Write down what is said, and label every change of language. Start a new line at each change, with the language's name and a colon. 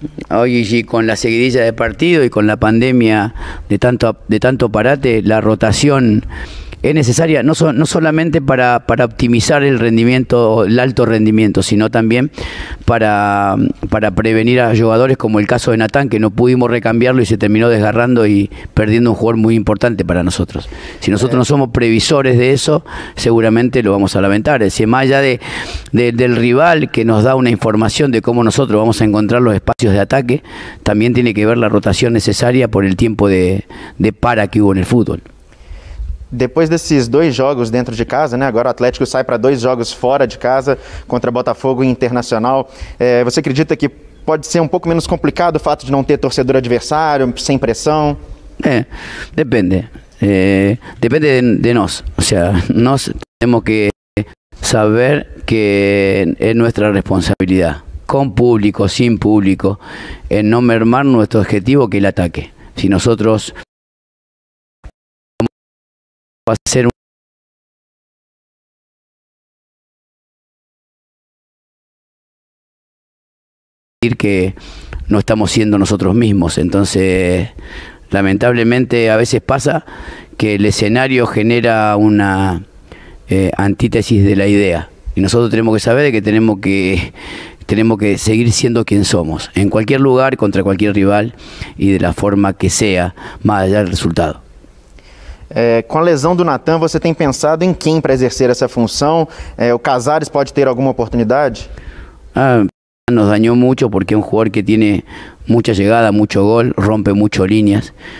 Spanish: Hoy sí, con la seguidilla de partido y con la pandemia de tanto parate, la rotación es necesaria no solamente para optimizar el rendimiento, el alto rendimiento, sino también para prevenir a jugadores como el caso de Natán, que no pudimos recambiarlo y se terminó desgarrando y perdiendo un jugador muy importante para nosotros. Si nosotros no somos previsores de eso, seguramente lo vamos a lamentar. Es decir, más allá del rival que nos da una información de cómo nosotros vamos a encontrar los espacios de ataque, también tiene que ver la rotación necesaria por el tiempo de para que hubo en el fútbol.
Portuguese: Depois desses 2 jogos dentro de casa, né? Agora o Atlético sai para 2 jogos fora de casa contra Botafogo e Internacional. Você acredita que pode ser um pouco menos complicado o fato de não ter torcedor adversário, sem pressão? Depende. Depende de nós. Ou seja, nós temos que saber que é nossa responsabilidade, com público, sem público, em não mermar nosso objetivo, que é o ataque.
Spanish: Se nós decir que no estamos siendo nosotros mismos, entonces lamentablemente a veces pasa que el escenario genera una antítesis de la idea y nosotros tenemos que saber que tenemos que seguir siendo quien somos en cualquier lugar, contra cualquier rival y de la forma que sea, más allá del resultado.
Portuguese: Com a lesão do Natan, você tem pensado em quem para exercer essa função? O Casares pode ter alguma oportunidade?
Spanish: Nos dañó mucho porque es un jugador que tiene mucha llegada, mucho gol, rompe mucho líneas.